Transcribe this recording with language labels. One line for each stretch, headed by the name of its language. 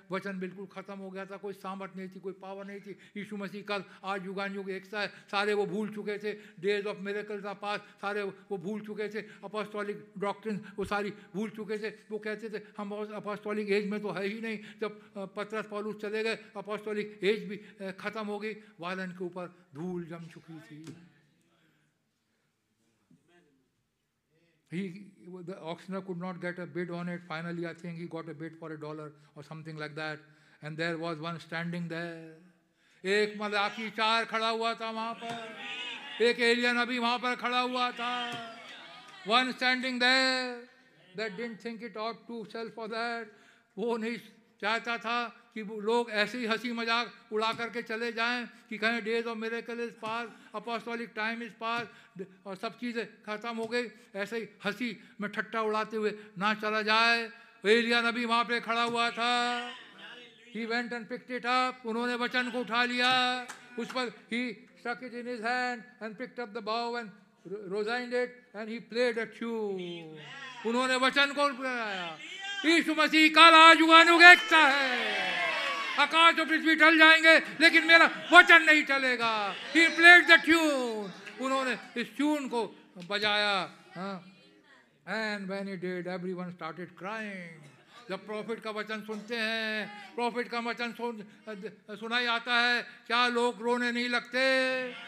Hindi: वचन बिल्कुल खत्म हो गया था, कोई सामर्थ नहीं थी, कोई पावर नहीं थी। यीशु मसीह कल आज युगान युग एक सा है, सारे वो भूल चुके थे, डेज ऑफ मिरेकल्स का पास सारे वो भूल चुके थे, अपोस्टोलिक डॉक्ट्रिन वो सारी भूल चुके थे। वो कहते थे हम अपोस्टोलिक एज में तो है ही नहीं, जब पतरस पौलुस चले गए अपोस्टोलिक एज भी खत्म हो गई, वायलन के ऊपर धूल जम चुकी थी।
English: The auctioneer could not get a bid on it. Finally, I think he got a bid for $1 or something like that. And there was one standing there.
Hindi: एक मलाकी चार खड़ा हुआ था वहाँ पर, एक एलियन अभी वहाँ पर खड़ा हुआ था,
English: one standing there that didn't think it ought to sell for that.
Hindi: वो नहीं चाहता था कि लोग ऐसे ही हंसी मजाक उड़ा करके चले जाएं कि कहें
English: days of miracle is past,
Hindi: apostolic time is pass और सब चीज़ें खत्म हो गई, ऐसे ही हंसी में ठट्टा उड़ाते हुए ना चला जाए। एलिया नबी वहाँ पे खड़ा हुआ था,
English: he went and picked it up,
Hindi: उन्होंने वचन को उठा लिया, उस पर
English: He stuck it in his hand and picked up the bow and rosined it and he played a tune.
Hindi: उन्होंने वचन को उठाया, यीशु मसीह कल आज युगान युग एकता है, आकाश और पृथ्वी टल जाएंगे लेकिन मेरा वचन नहीं टलेगा।
English: He played the tune,
Hindi: उन्होंने इस ट्यून को बजाया।
English: And when he did, everyone started crying.
Hindi: जब प्रॉफिट का वचन सुनते हैं, प्रॉफिट का वचन सुनाई आता है, क्या लोग रोने नहीं लगते?